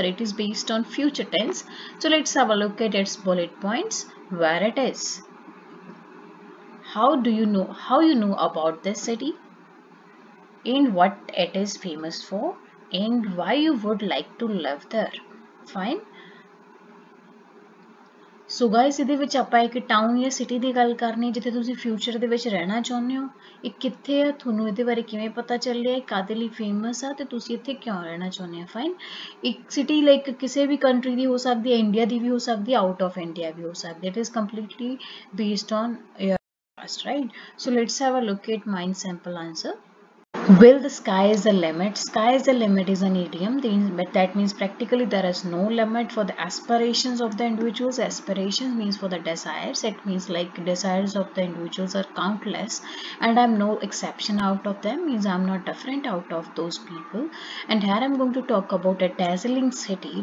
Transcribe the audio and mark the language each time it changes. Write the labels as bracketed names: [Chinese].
[English] It is based on future tense. So let's have a look at its bullet points. Where it is? How do you know, how you know about this city and what it is famous for and why you would like to live there? Fine. So guys, [Punjabi] ਇਹਦੇ ਵਿੱਚ ਆਪਾਂ ਇੱਕ town ਜਾਂ city ਦੀ ਗੱਲ ਕਰਨੀ ਜਿੱਥੇ ਤੁਸੀਂ future ਦੇ ਵਿੱਚ ਰਹਿਣਾ ਚਾਹੁੰਦੇ ਹੋ. ਇਹ ਕਿੱਥੇ ਆ, ਤੁਹਾਨੂੰ ਇਹਦੇ ਬਾਰੇ ਕਿਵੇਂ ਪਤਾ ਚੱਲਿਆ, ਕਾਦੇ ਲਈ ਫੇਮਸ ਆ ਤੇ ਤੁਸੀਂ ਇੱਥੇ ਕਿਉਂ ਰਹਿਣਾ ਚਾਹੁੰਦੇ ਹੋ. ਫਾਈਨ. ਇੱਕ ਸਿਟੀ ਲਾਈਕ ਕਿਸੇ ਵੀ ਕੰਟਰੀ ਦੀ ਹੋ ਸਕਦੀ ਹੈ, ਇੰਡੀਆ ਦੀ ਵੀ ਹੋ ਸਕਦੀ ਹੈ, [English] out of India [Punjabi] ਵੀ ਹੋ ਸਕਦੀ ਹੈ. [English] It is completely based on your past, right? So let's have a look at mine sample answer. Will the sky is a limit? Sky is a limit is an idiom. That means practically there is no limit for the aspirations of the individuals. Aspirations means for the desires. It means like desires of the individuals are countless and I'm no exception out of them. Means I'm not different out of those people. And here I'm going to talk about a dazzling city.